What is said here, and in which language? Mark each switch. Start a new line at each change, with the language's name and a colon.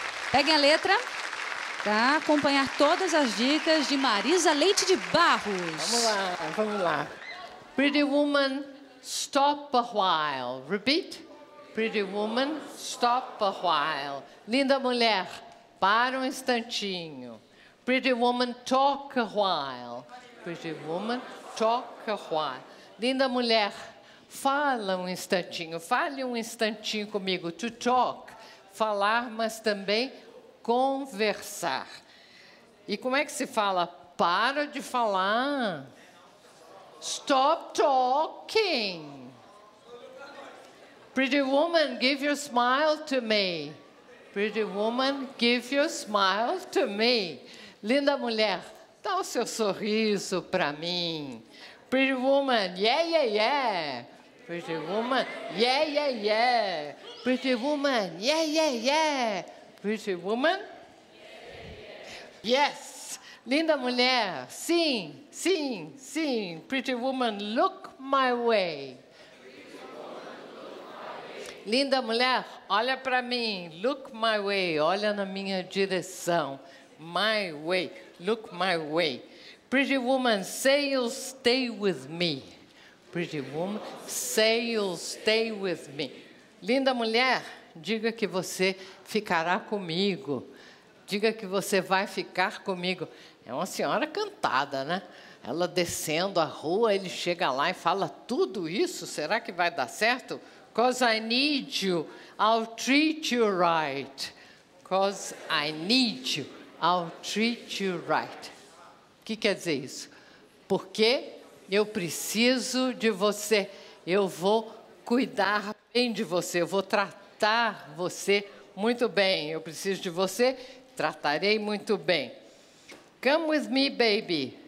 Portuguese: Peguem a letra para acompanhar todas as dicas de Marisa Leite de Barros. Vamos lá, vamos lá.
English: Pretty woman, stop a while. Repeat. Pretty woman, stop a while.
Portuguese: Linda mulher, para um instantinho.
English: Pretty woman, talk a while. Pretty woman, talk a while.
Portuguese: Linda mulher, fala um instantinho. Fale um instantinho comigo.
English: To talk,
Portuguese: falar, mas também conversar. E como é que se fala? Para de falar.
English: Stop talking. Pretty woman, give your smile to me. Pretty woman, give your smile to me.
Portuguese: Linda mulher, dá o seu sorriso para mim.
English: Pretty woman, yeah, yeah, yeah. Pretty woman, yeah, yeah, yeah. Pretty woman, yeah, yeah, yeah. Pretty woman, yes,
Portuguese: linda mulher, sim, sim, sim.
English: Pretty woman, look my way.
Portuguese: Linda mulher, olha para mim,
English: look my way,
Portuguese: olha na minha direção.
English: My way, look my way. Pretty woman, say you'll stay with me. Pretty woman, say you'll stay with me.
Portuguese: Linda mulher, diga que você ficará comigo. Diga que você vai ficar comigo. É uma senhora cantada, né? Ela descendo a rua, ele chega lá e fala tudo isso. Será que vai dar certo?
English: 'Cause I need you, I'll treat you right. 'Cause I need you, I'll treat you right.
Portuguese: O que quer dizer isso? Porque eu preciso de você. Eu vou cuidar bem de você. Eu vou tratar você muito bem. Eu preciso de você. Tratarei muito bem.
English: Come with me, baby.